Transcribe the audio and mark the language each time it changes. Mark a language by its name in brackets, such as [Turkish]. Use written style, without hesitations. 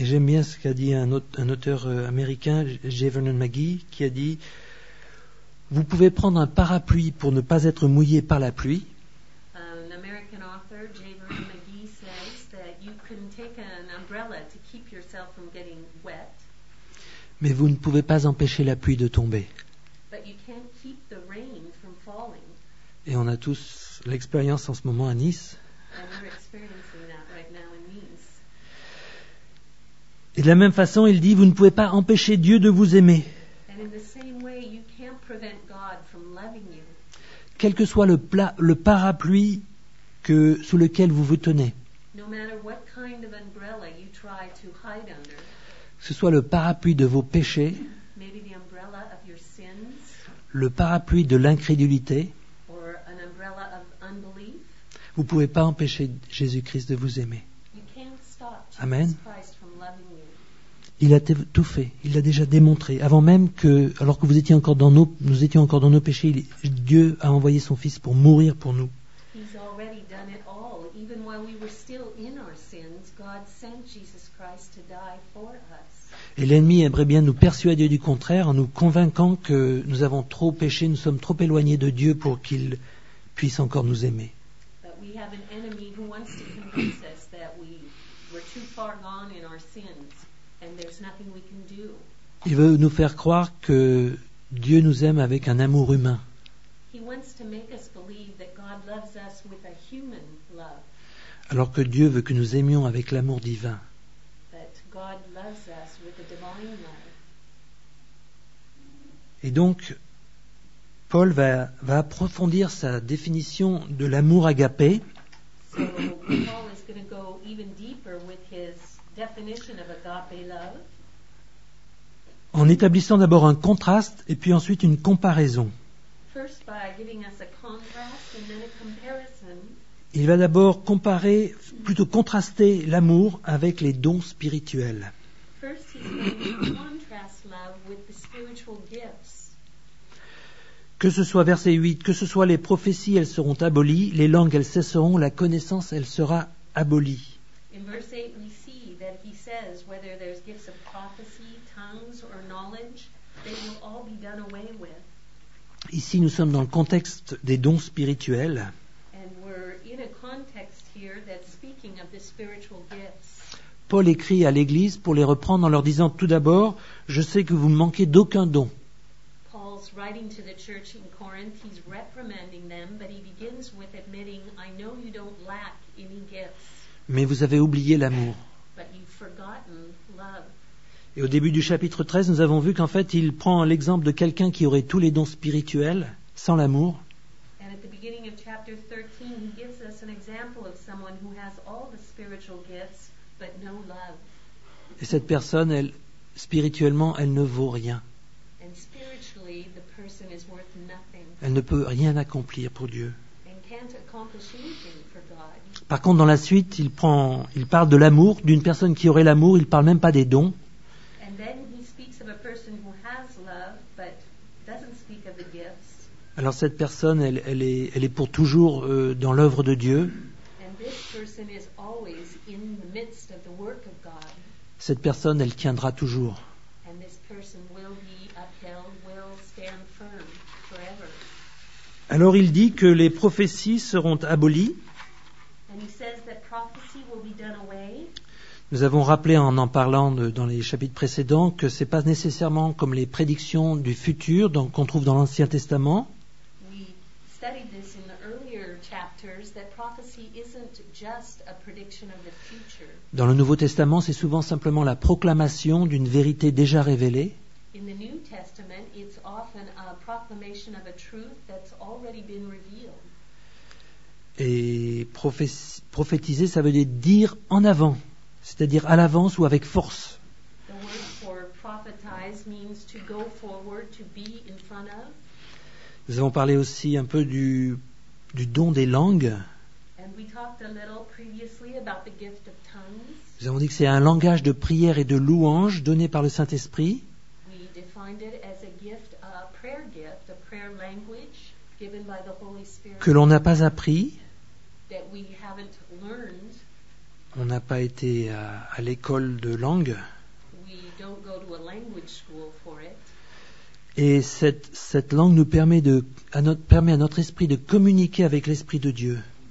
[French] Et j'aime bien ce qu'a dit un auteur américain, J. Vernon McGee, qui a dit: vous pouvez prendre un parapluie pour ne pas être mouillé par la pluie. [English] An American author, J. Vernon McGee, says that you can take an umbrella to keep yourself from getting wet. [French] Mais vous ne pouvez pas empêcher la pluie de tomber. [English] But you can't keep the rain from falling. [French] Et on a tous l'expérience en ce moment à Nice. [English] And we're experiencing that right now in Nice. [French] Et de la même façon, il dit, vous ne pouvez pas empêcher Dieu de vous aimer. [English] And in the same way, you can't prevent God from loving you. [French] Quel que soit le parapluie que, sous lequel vous vous tenez. [English] No matter what kind of umbrella you try to hide under. [French] Ce soit le parapluie de vos péchés. [English] Maybe the umbrella of your sins. [French] Le parapluie de l'incrédulité. [English] Or an umbrella of unbelief. [French] Vous ne pouvez pas empêcher Jésus-Christ de vous aimer. [English] You can't stop Jesus. Amen. Christ from loving you. [French] Il a tout fait. Il l'a déjà démontré. Avant même que, alors que vous étiez encore dans nos, nous étions encore dans nos péchés, Dieu a envoyé son Fils pour mourir pour nous. [English] He's already done it all. Even while we were still in our sins, God sent Jesus Christ to die for us. [French] Et l'ennemi aimerait bien nous persuader du contraire en nous convainquant que nous avons trop péché, nous sommes trop éloignés de Dieu pour qu'il puisse encore nous aimer. [English] But we have an enemy who wants to convince us that we were too far gone in our sins. And there's nothing we can do. [French] Il veut nous faire croire que Dieu nous aime avec un amour humain. [English] He wants to make us believe that God loves us with a human love. [French] Alors que Dieu veut que nous aimions avec l'amour divin. [English] But God loves us with a divine love. [French] Et donc, Paul va approfondir sa définition de l'amour agapé. [English] So Paul is going to go even deeper with his definition of agape love. [French] En établissant d'abord un contraste et puis ensuite une comparaison. [English] First by giving us a contrast and then a comparison. [French] Il va d'abord comparer, plutôt contraster l'amour avec les dons spirituels. [English] First he's going to contrast love with the spiritual gifts. [French] Que ce soit verset 8, que ce soit les prophéties, elles seront abolies, les langues, elles cesseront, la connaissance, elle sera abolie. [English] In verse 8, we see that he says whether there's gifts of prophecy, tongues or knowledge, they will all be done away with. [French] Ici, nous sommes dans le contexte des dons spirituels. [English] And we're in a context here that's speaking of the spiritual gifts. [French] Paul écrit à l'église pour les reprendre en leur disant tout d'abord, je sais que vous manquez d'aucun don. [English] Writing to the church in Corinth, he's reprimanding them, but he begins with admitting, I know you don't lack any gifts. [French] Mais vous avez oublié l'amour. [English] But you've forgotten love. [French] Et au début du chapitre 13, nous avons vu qu'en fait, il prend l'exemple de quelqu'un qui aurait tous les dons spirituels sans l'amour. [English] And at the beginning of chapter 13, he gives us an example of someone who has all the spiritual gifts, but no love. [French] Et cette personne, elle, spirituellement, elle ne vaut rien. [English] And spiritually, the person is worth nothing. [French] Elle ne peut rien accomplir pour Dieu. [English] And can't accomplish anything for God. [French] Par contre, dans la suite, il parle de l'amour, d'une personne qui aurait l'amour, il ne parle même pas des dons. [English] And then he speaks of a person who has love, but doesn't speak of the gifts. [French] Alors cette personne, elle est pour toujours dans l'œuvre de Dieu. [English] And this person is always in the midst of the work of God. [French] Cette personne, elle tiendra toujours. [English] And this person will be upheld, will stand firm forever. [French] Alors il dit que les prophéties seront abolies. [English] And he says that prophecy will be done away. [French] Nous avons rappelé en parlant dans les chapitres précédents que ce n'est pas nécessairement comme les prédictions du futur qu'on trouve dans l'Ancien Testament. [English] We studied this in the earlier chapter. factors that prophecy isn't just a prediction of the future. [French] Dans le Nouveau Testament, c'est souvent simplement la proclamation d'une vérité déjà révélée. [English] In the New Testament, it's often a proclamation of a truth that's already been revealed. [French] Et prophétiser, ça veut dire en avant, c'est-à-dire à l'avance ou avec force. [English] The word for prophetize means to go forward, to be in front of. [French] Nous avons parlé aussi un peu du don des langues. [English] And we talked a little previously about the gift of tongues. [French] Nous avons dit que c'est un langage de prière et de louange donné par le Saint-Esprit. [English] We defined it as a gift, a prayer gift, a prayer language. Given by the Holy Spirit, [French] que l'on n'a pas appris, [English] that we haven't learned, [French] on n'a pas été à l'école de langue, [English] we don't go to a language school for it. [French] Et cette langue nous permet à notre esprit de communiquer avec l'Esprit de Dieu.